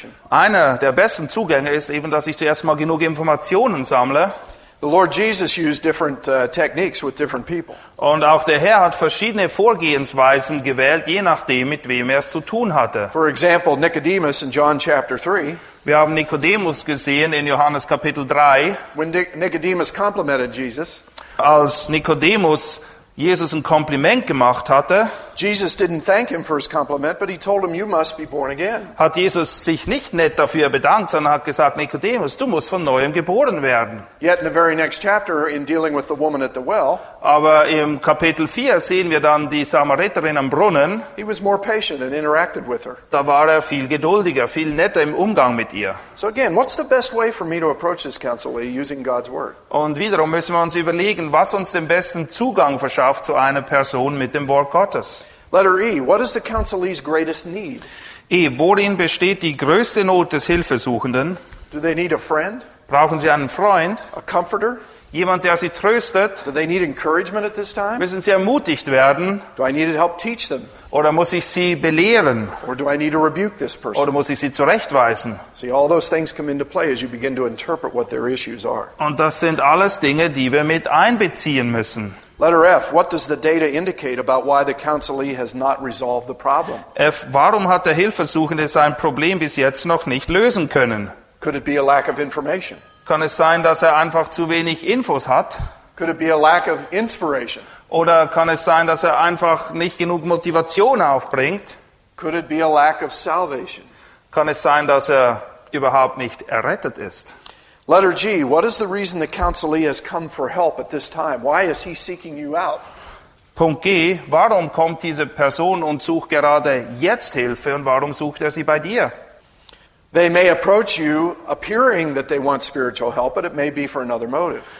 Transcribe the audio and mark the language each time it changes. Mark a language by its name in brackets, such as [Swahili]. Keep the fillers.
[German] Einer der besten Zugänge ist eben, dass ich zuerst das mal genug Informationen sammle. [English] The Lord Jesus used different techniques with different people. [German] Und auch der Herr hat verschiedene Vorgehensweisen gewählt, je nachdem mit wem er es zu tun hatte. [English] For example, Nicodemus in John chapter 3. [German] Wir haben Nikodemus gesehen in Johannes Kapitel 3. [English] When Nicodemus complimented Jesus, [German] als Nikodemus Jesus ein Kompliment gemacht hatte, [English] Jesus didn't thank him for his compliment, but he told him, "You must be born again." [German] Hat Jesus sich nicht nett dafür bedankt, sondern hat gesagt, Nikodemus, du musst von neuem geboren werden. [English] Yet in the very next chapter, in dealing with the woman at the well, [German] aber im Kapitel vier sehen wir dann die Samariterin am Brunnen. [English] He was more patient and interacted with her. [German] Da war er viel geduldiger, viel netter im Umgang mit ihr. [English] So again, what's the best way for me to approach this counselor using God's word? [German] Und wiederum müssen wir uns überlegen, was uns den besten Zugang verschafft zu einer Person mit dem Wort Gottes. [English] Letter E. What is the counselee's greatest need? E. [German] Worin besteht die größte Not des Hilfesuchenden? [English] Do they need a friend? [German] Brauchen sie einen Freund? [English] A comforter? [German] Jemand, der sie tröstet? [English] Do they need encouragement at this time? [German] Müssen sie ermutigt werden? [English] Do I need to help teach them? [German] Oder muss ich sie belehren? [English] Or do I need to rebuke this person? [German] Oder muss ich sie zurechtweisen? [English] See, all those things come into play as you begin to interpret what their issues are. [German] Und das sind alles Dinge, die wir mit einbeziehen müssen. [English] Letter F, what does the data indicate about why the counselee has not resolved the problem? [German] F, warum hat der Hilfesuchende sein Problem bis jetzt noch nicht [English] Could it be a lack of information? [German] Kann es sein, dass er einfach zu wenig [English] Could it be a lack of inspiration? [German] Oder kann es sein, dass er einfach nicht genug Motivation aufbringt? [English] Could it be a lack of salvation? [German] Kann es sein, dass er überhaupt nicht errettet ist? [English] Letter G, what is the reason the counselee has come for help at this time? Why is he seeking you out? [German] Punkt G, warum kommt diese Person und sucht gerade jetzt Hilfe und warum sucht er sie bei dir? [English] They may approach you appearing that they want spiritual help, but it may be for another motive.